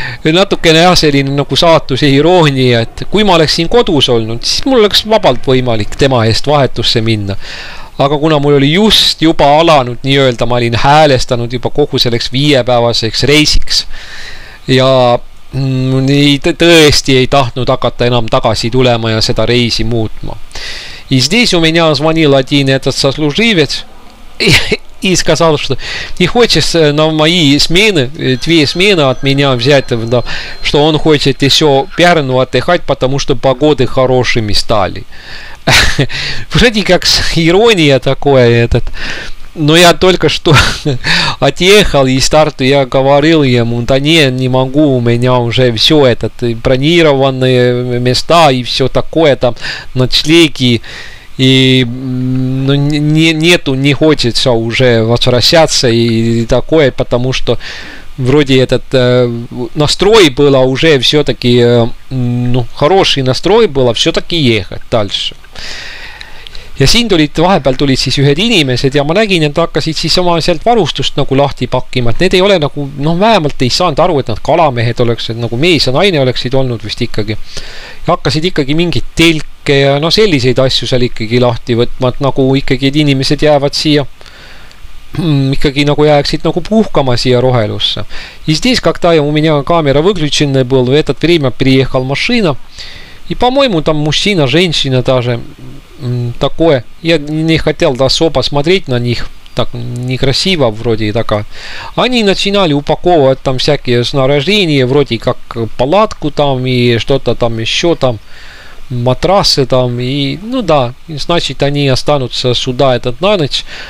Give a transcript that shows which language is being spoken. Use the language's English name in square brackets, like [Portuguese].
[Estonian] Natukene jah, selline nagu saatus irooni, et kui ma oleks siin kodus olnud, siis mul oleks vabalt võimalik tema eest vahetusse minna. Aga kuna mul oli just juba alanud, nii öelda, ma olin häälestanud juba kogu selleks viiepäevaseks reisiks ja nii tõesti ei tahtnud hakata enam tagasi tulema ja seda reisi muutma. [Russian] И здесь у меня звонил один этот сослуживец и сказал, что не хочет на мои смены, две смены от меня взять, что он хочет еще Пярну отдыхать, потому что погоды хорошими стали. Вроде как с ирония такое этот. Но я только что отъехал из старту, я говорил ему, да не могу, у меня уже все это, бронированные места и все такое там, ночлеги, и ну, не хочется уже возвращаться и такое, потому что вроде этот настрой был уже все-таки, ну, хороший настрой был, все-таки ехать дальше. [Estonian] Ja siin tulid, vahepeal tulid siis ühed inimesed ja ma nägin, et hakkasid siis oma sealt varustust nagu lahti pakkima, et need ei ole nagu, noh, vähemalt ei saanud aru, et nad kalamehed oleksid, nagu mees ja naine oleksid olnud vist ikkagi. Ja hakkasid ikkagi mingid telke ja noh, selliseid asju seal ikkagi lahti võtma, et nagu ikkagi inimesed jäävad siia, ikkagi nagu jääksid nagu puhkama siia rohelusse. [Russian] И здесь, когда у меня камера выключена был, в этот время приехал машина, и, по-моему, там мужчина, женщина даже такое. Я не хотел особо смотреть на них. так не красиво вроде так. Они начинали упаковывать там всякие снаряжения, вроде как палатку там и что-то там еще там, матрасы там, и ну да, значит они останутся сюда этот на ночь.